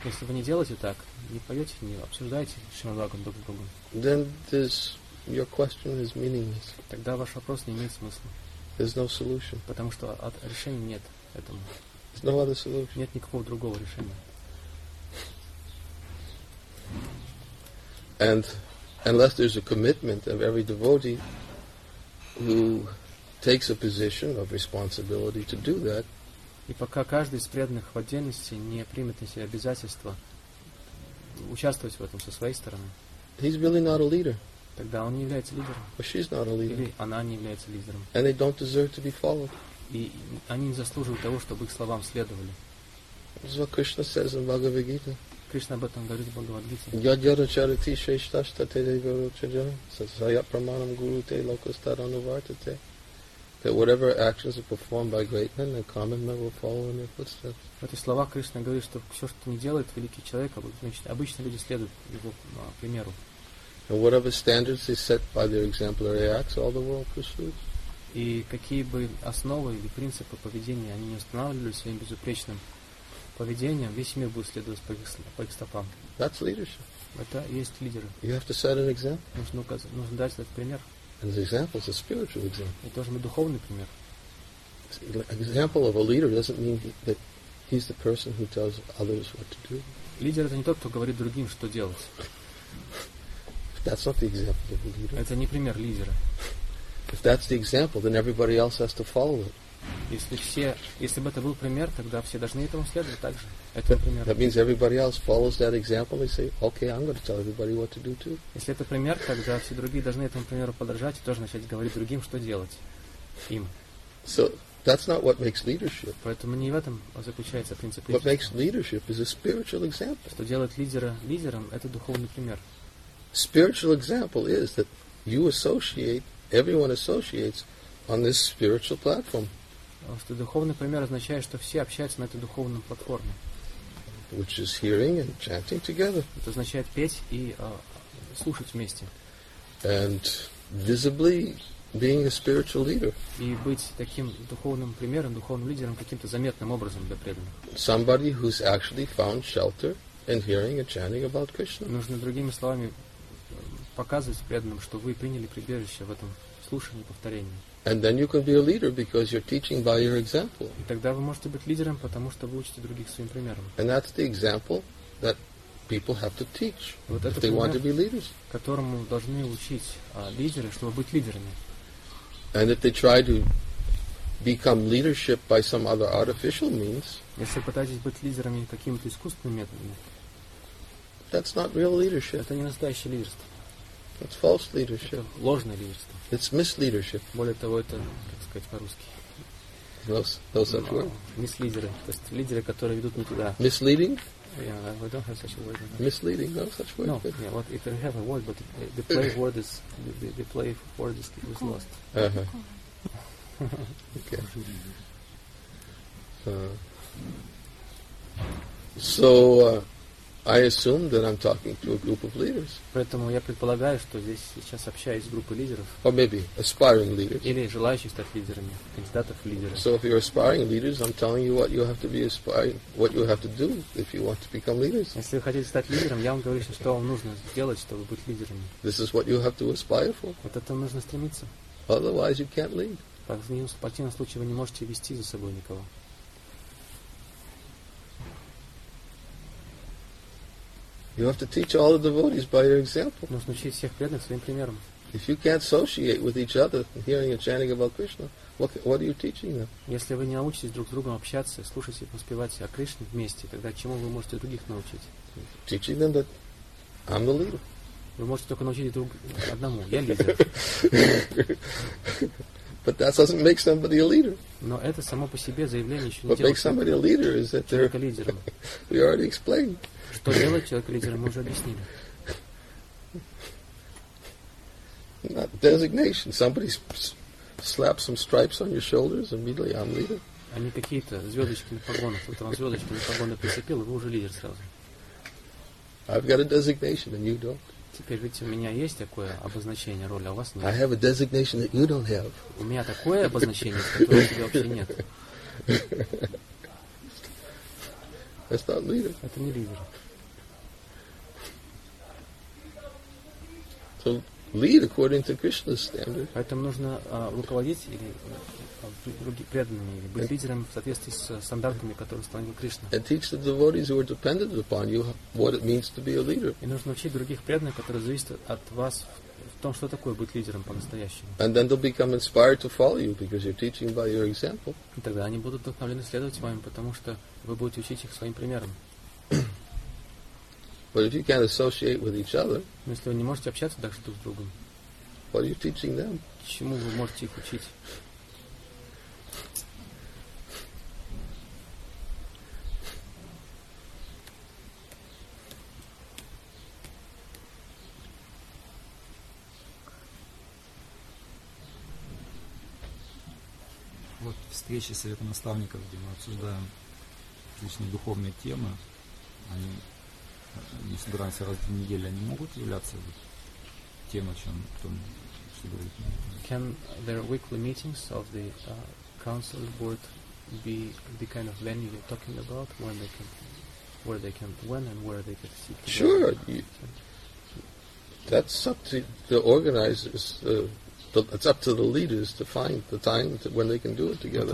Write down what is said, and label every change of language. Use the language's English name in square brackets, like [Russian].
[Russian] если вы не делаете так, не поете, не обсуждаете Шримад Бхагаватам друг с другом, [English] then this, your question is meaningless. [Russian] Тогда ваш вопрос не имеет смысла. [English] There's no solution. [Russian] Потому что решения нет этому. [English] There's no other solution. [Russian] Нет никакого другого решения. [English] And unless there's a commitment of every devotee who takes a position of responsibility to do that, [Russian] и пока каждый из преданных в отдельности не примет на себя обязательство участвовать в этом со своей стороны, [English] he's really not a leader. [Russian] Тогда он не является лидером. [English] Or she's not a leader. [Russian] Или она не является лидером. [English] And they don't deserve to be followed. [Russian] И они не заслуживают того, чтобы их словам следовали. [English] That's what Krishna says in Bhagavad Gita. [Russian] Кришна об этом говорит в Бхагавад-гите. [Sanskrit] Ядьярачарати шешташтате девиручаджа сасаяпраманам гуру те локастарануватате. [English] That whatever actions are performed by great men, the common men will follow in their footsteps. [Russian] В этих словах Кришна говорит, что все, что не делает великий человек, обычные люди следуют его примеру. [English] And whatever standards they set by their exemplary acts, all the world pursues. [Russian] И какие бы основы или принципы поведения они не устанавливали своим безупречным поведением, весь мир будет следовать по их стопам. [English] That's leadership. [Russian] Это есть лидеры. [English] You have to set an example. [Russian] Нужно дать этот пример. [English] And the example is a spiritual example. [Russian] Это должен быть духовный пример. [English] Example of a leader doesn't mean that he's the person who tells others what to do. [Russian] Лидер — это не тот, кто говорит другим, что делать. [English] That's not the example of a leader. [Russian] Это не пример лидера. [English] If that's the example, then everybody else has to follow it. [Russian] Если бы это был пример, тогда все должны этому следовать также. Это пример. [English] That means everybody else follows that example. They say, "Okay, I'm going to tell everybody what to do too." [Russian] Если это пример, тогда все другие должны этому примеру подражать и тоже начать говорить другим, что делать им. [English] So that's not what makes leadership. [Russian] Поэтому не в этом заключается принцип. [English] What makes leadership is a spiritual example. [Russian] Что делает лидера лидером — это духовный пример. [English] Spiritual example is that you associate, everyone associates on this spiritual platform. [Russian] Что духовный пример означает, что все общаются на этой духовной платформе. [English] Which is hearing and chanting together. [Russian] Это означает петь и слушать вместе. [English] And visibly being a spiritual leader. [Russian] И быть таким духовным примером, духовным лидером каким-то заметным образом для преданных. [English] Somebody who's actually found shelter in hearing and chanting about Krishna. [Russian] Нужно другими словами показывать преданным, что вы приняли прибежище в этом слушании, повторении. [English] And then you can be a leader because you're teaching by your example. [Russian] И тогда вы можете быть лидером, потому что вы учите других своим примером. [English] And that's the example that people have to teach. [Russian] Вот [English] if they want to be leaders. [Russian] Которому должны учить лидеры, чтобы быть лидерами. [English] And if they try to become leadership by some other artificial means, [Russian] если пытаетесь быть лидерами какими-то искусственными методами, [English] that's not real leadership. [Russian] Это не настоящее лидерство. [English] That's false leadership. [Russian] Это ложное лидерство. [English] It's misleadership. [Russian] Более того, это, как сказать по-русски, мислидеры. То есть лидеры, которые ведут не туда. [English] Misleading? Yeah, we don't have such a word. Misleading, no such word. No, yeah, what, if we have a word, but the play word is the play word is was lost. Okay. So I assume that I'm talking to a group of leaders. [Russian] Поэтому я предполагаю, что здесь сейчас общаюсь с группой лидеров. [English] Or maybe aspiring leaders. [Russian] Или желающих стать лидерами, кандидатов в лидеры. [English] So if you're aspiring leaders, I'm telling you what you have to be aspiring, what you have to do if you want to become leaders. [Russian] Если вы хотите стать лидером, я вам говорю, что вам нужно сделать, чтобы быть лидерами. [English] This is what you have to aspire for. [Russian] Вот это нужно стремиться. [English] Otherwise, you can't lead. [Russian] В противном случае вы не можете вести за собой никого. [English] You have to teach all the devotees by your example. [Russian] Нужно учить всех преданных своим примером. [English] If you can't associate with each other, hearing and chanting about Krishna, what are you teaching them? [Russian] Если вы не научитесь друг с другом общаться, слушать и воспевать о Кришне вместе, тогда чему вы можете других научить? [English] Teaching them that I'm the leader. [Russian] Вы можете только научить друг одному. Я лидер. [English] But that doesn't make somebody a leader. [Russian] Но это само по себе заявление еще не делает. [English] What makes somebody a leader is that they're [Russian] лидером. [English] We already explained. [Russian] Что делать человека лидером, мы уже объяснили. [English] Not designation. Somebody slaps some stripes on your shoulders, immediately I'm leader. [Russian] А не какие-то звездочки на погонах. Вот вам звездочки на погоны прицепил, и вы уже лидер сразу. [English] I've got a designation and you don't. [Russian] Теперь ведь у меня есть такое обозначение роли, а у вас нет. [English] I have a designation that you don't have. [Russian] У меня такое обозначение, которого у тебя вообще нет. [English] That's not leader. [Russian] Это не лидер. [English] So lead according to Krishna's standard. [Russian] Поэтому нужно руководить или преданными, или быть лидером в соответствии с стандартами, которые установил Кришна. [English] And teach the devotees who are dependent upon you what it means to be a leader. [Russian] И нужно учить других преданных, которые зависят от вас, в том, что такое быть лидером по-настоящему. [English] And then they'll become inspired to follow you because you're teaching by your example. [Russian] И тогда они будут вдохновлены следовать вам, потому что вы будете учить их своим примером. [English] But if you can't associate with each other, [Russian] если вы не можете общаться так друг с другом, [English] what are you teaching them? [Russian] Чему вы можете их учить? Встречи совета наставников, где мы обсуждаем различные духовные темы, они, не собираемся раз в неделю, они могут являться вот, тем, о чем кто говорит. [English] Can there weekly meetings of the council board be the kind of venue you're talking about, when they can, where they can, when and where they can sit? Sure. That's up to the organizers. It's up to the leaders to find the time to, when they can do it together.